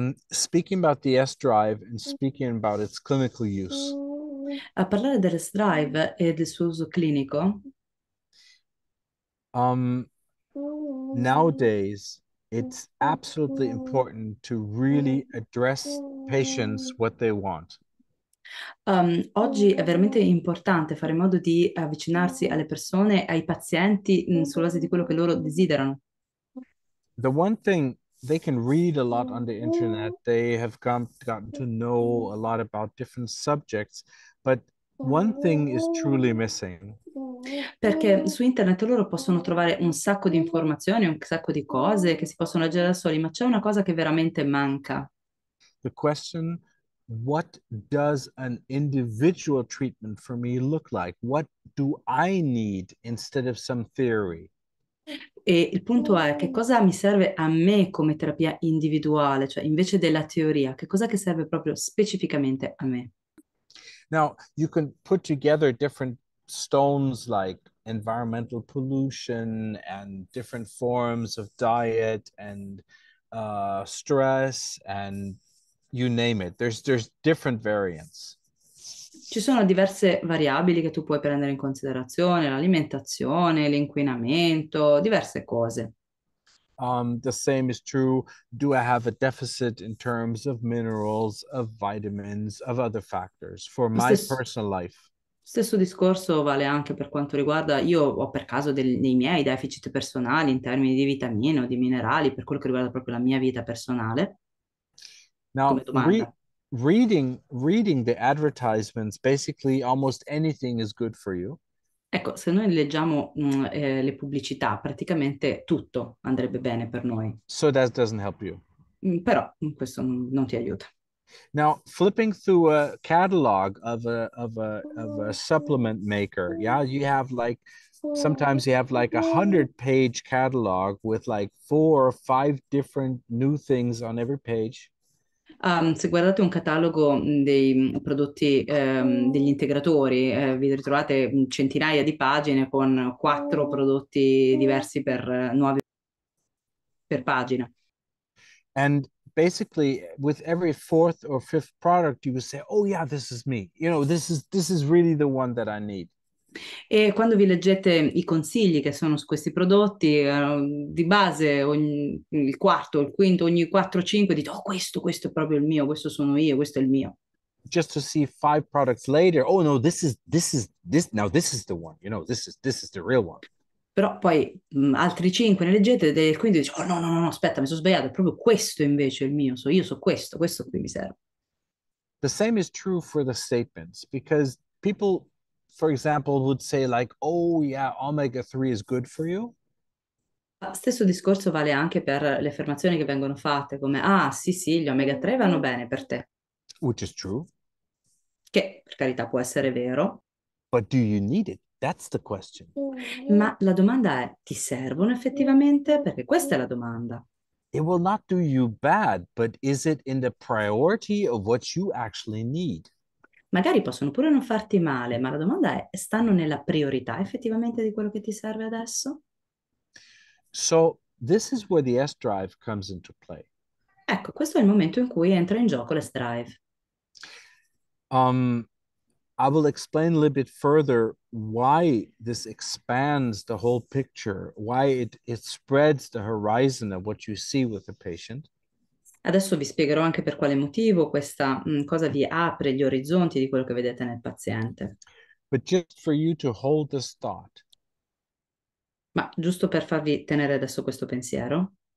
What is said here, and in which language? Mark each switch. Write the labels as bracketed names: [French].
[English] Speaking about the S drive and speaking about its clinical use. [Italian] A parlare del S-Drive e del suo uso clinico. [English] Nowadays, it's absolutely important to really address patients what they want. [Italian] Oggi è veramente importante fare in modo di avvicinarsi alle persone, ai pazienti, sulla base di quello che loro desiderano. [English] The one thing they can read a lot on the internet, they have gotten to know a lot about different subjects, but one thing is truly missing. [Italian] Perché su internet loro possono trovare un sacco di informazioni, un sacco di cose che si possono leggere da soli, ma c'è una cosa che veramente manca. [English] The question, what does an individual treatment for me look like? What do I need instead of some theory? [Italian] E il punto è che cosa mi serve a me come terapia individuale, cioè invece della teoria, che cosa che serve proprio specificamente a me? [English] Now, you can put together different stones like environmental pollution and different forms of diet and stress and you name it. There's different variants. [Italian] Ci sono diverse variabili che tu puoi prendere in considerazione, l'alimentazione, l'inquinamento, diverse cose. [English] The same is true. Do I have a deficit in terms of minerals, of vitamins, of other factors for my personal life? [Italian] Stesso discorso vale anche per quanto riguarda, io ho per caso dei miei deficit personali in termini di vitamine o di minerali, per quello che riguarda proprio la mia vita personale, [English] Now, [Italian] come domanda. [English] reading the advertisements, basically almost anything is good for you. [Italian] Ecco, se noi leggiamo le pubblicità, praticamente tutto andrebbe bene per noi. [English] So that doesn't help you. [Italian] Però questo non ti aiuta. [English] Now, flipping through a catalog of a supplement maker, yeah, you have like sometimes you have like a 100-page catalog with like four or five different new things on every page. [Italian] Se guardate un catalogo dei prodotti degli integratori, vi ritrovate centinaia di pagine con quattro prodotti diversi per nuovi per pagina. [English] And basically, with every fourth or fifth product, you would say, "Oh yeah, this is me. You know, this is really the one that I need." [Italian] E quando vi leggete i consigli che sono su questi prodotti, di base il quarto, il quinto, ogni 4-5 dite, oh, questo è proprio il mio, questo sono io, questo è il mio. [English] Just to see five products later, oh no, this is the one. You know, this is the real one. [Italian] Però poi altri 5 ne leggete e il quinto dice, oh no, aspetta, mi sono sbagliato, è proprio questo invece è il mio, so io so questo qui mi serve. [English] The same is true for the statements, because people, for example, would say like, oh yeah, omega 3 is good for you. [Italian] Stesso discorso vale anche per le affermazioni che vengono fatte, come ah sì, gli omega 3 vanno bene per te. [English] Which is true. [Italian] Che per carità può essere vero. [English] But do you need it? That's the question. [Italian] Ma la domanda è: ti servono effettivamente? Perché questa è la domanda. [English] It will not do you bad, but is it in the priority of what you actually need? [Italian] Magari possono pure non farti male, ma la domanda è: stanno nella priorità effettivamente di quello che ti serve adesso? [English] So this is where the S-drive comes into play. [Italian] Ecco, questo è il momento in cui entra in gioco l'S-Drive. [English] I will explain a little bit further why this expands the whole picture, why it spreads the horizon of what you see with the patient. [Italian] Adesso vi spiegherò anche per quale motivo questa cosa vi apre gli orizzonti di quello che vedete nel paziente. [English] But just for you to hold this thought. [Italian] Ma giusto per farvi tenere adesso questo pensiero.